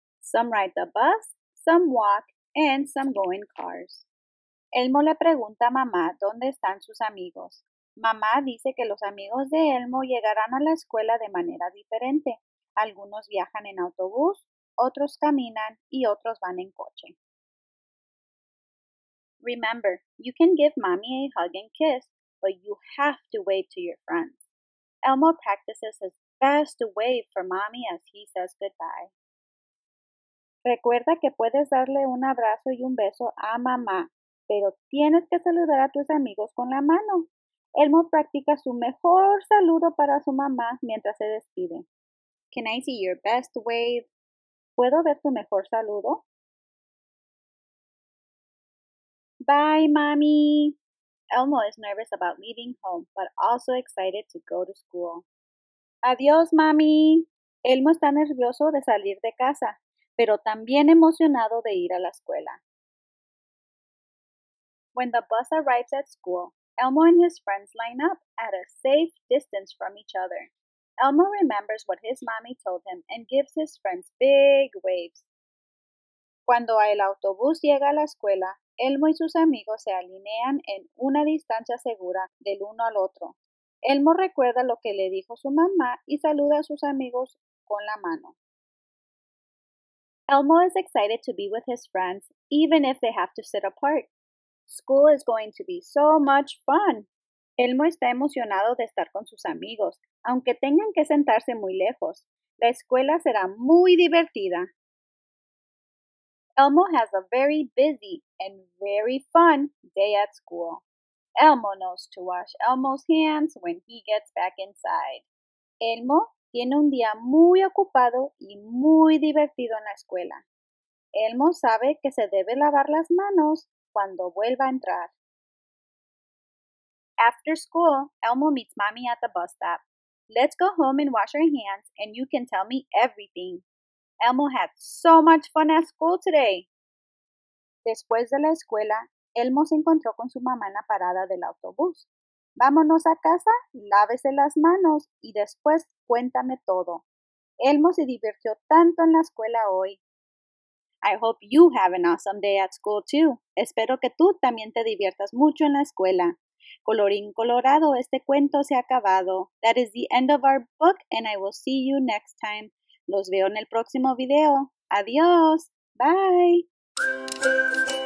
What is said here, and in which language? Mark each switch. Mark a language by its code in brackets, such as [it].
[en] Some ride the bus, some walk, and some go in cars. [es] Elmo le pregunta a mamá dónde están sus amigos. Mamá dice que los amigos de Elmo llegarán a la escuela de manera diferente. Algunos viajan en autobús, otros caminan, y otros van en coche. [en] Remember, you can give mommy a hug and kiss, but you have to wave to your friends. Elmo practices his best wave for mommy as he says goodbye. [es] Recuerda que puedes darle un abrazo y un beso a mamá, pero tienes que saludar a tus amigos con la mano. Elmo practica su mejor saludo para su mamá mientras se despide. [en] Can I see your best wave? [es] ¿Puedo ver tu mejor saludo? [en] Bye, mommy. Elmo is nervous about leaving home, but also excited to go to school. [es] Adiós, [en] mommy. [es] Elmo está nervioso de salir de casa, pero también emocionado de ir a la escuela. [en] When the bus arrives at school, Elmo and his friends line up at a safe distance from each other. Elmo remembers what his mommy told him and gives his friends big waves. [es] Cuando el autobús llega a la escuela, Elmo y sus amigos se alinean en una distancia segura del uno al otro. Elmo recuerda lo que le dijo su mamá y saluda a sus amigos con la mano. [en] Elmo is excited to be with his friends, even if they have to sit apart. School is going to be so much fun. [es] Elmo está emocionado de estar con sus amigos, aunque tengan que sentarse muy lejos. La escuela será muy divertida. [en] Elmo has a very busy and very fun day at school. Elmo knows to wash Elmo's hands when he gets back inside. [es] Elmo tiene un día muy ocupado y muy divertido en la escuela. Elmo sabe que se debe lavar las manos cuando vuelva a entrar. [en] After school, Elmo meets Mommy at the bus stop. Let's go home and wash our hands and you can tell me everything. Elmo had so much fun at school today. [es] Después de la escuela, Elmo se encontró con su mamá en la parada del autobús. Vámonos a casa, lávese las manos y después cuéntame todo. Elmo se divirtió tanto en la escuela hoy. [en] I hope you have an awesome day at school too. [es] Espero que tú también te diviertas mucho en la escuela. Colorín colorado, este cuento se ha acabado. [en] That is the end of our book and I will see you next time. [es] Los veo en el próximo video. Adiós. Bye.